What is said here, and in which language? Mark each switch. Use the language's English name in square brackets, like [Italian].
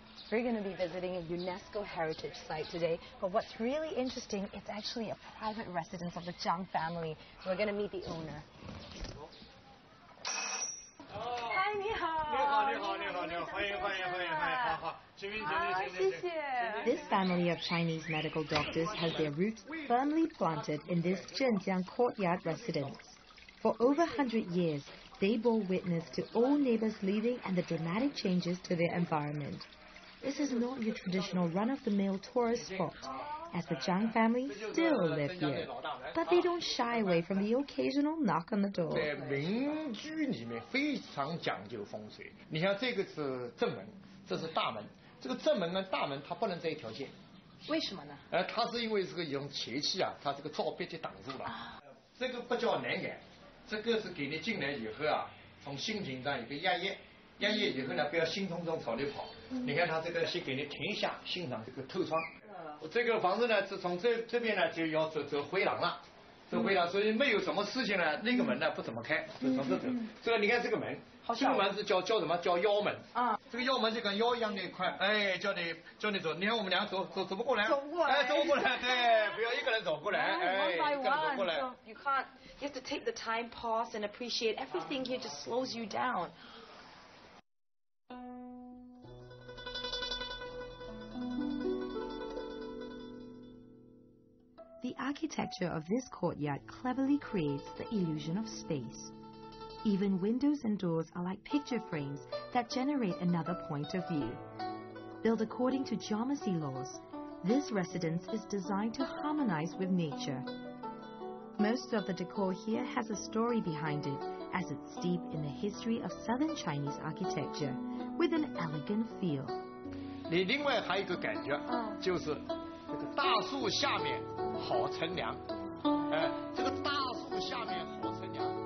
[English] We're going to be visiting a UNESCO heritage site today, but what's really interesting, it's actually a private residence of the Zhang family. We're going to meet the owner. Oh. Hi, [Chinese] 你好。你好，你好，你好，你好，欢迎，欢迎，欢迎，欢迎，好好。谢谢。 This family of Chinese medical doctors has their roots firmly planted in this Zhenjiang courtyard residence. For over 100 years, they bore witness to all neighbors leaving and the dramatic changes to their environment. This is not your traditional run-of-the-mill tourist spot, as the Zhang family still live here. But they don't shy away from the occasional knock on the door. 在民居里面非常讲究风水。你像这个是正门，这是大门。这个正门呢，大门它不能在一条线。为什么呢？它是因为这个用铁器啊，它这个罩壁就挡住了。这个不叫南檐，这个是给你进来以后啊，从心情上有个压抑，压抑以后呢，不要心通通朝里跑。你看他这个先给你停一下，欣赏这个透窗。这个房子呢，是从这边呢就要走回廊了，走回廊，所以没有什么事情呢，那个门呢不怎么开，就从这走。这个你看这个门，这个门是叫什么？叫腰门。啊。这个腰门就跟腰一样的一块，哎，叫你走。你看我们两个走不过来。走不过来。哎，走不过来，对，不要一个人走过来，哎，一个人走过来。 [English] You can't. You have to take the time, pause, and appreciate everything here. Just slows you down. The architecture of this courtyard cleverly creates the illusion of space. Even windows and doors are like picture frames that generate another point of view. Built according to geometry laws, this residence is designed to harmonize with nature. Most of the decor here has a story behind it, as it's steeped in the history of Southern Chinese architecture with an elegant feel. [Chinese] 你另外还有一个感觉，就是这个大树下面好乘凉，这个大树下面好乘凉。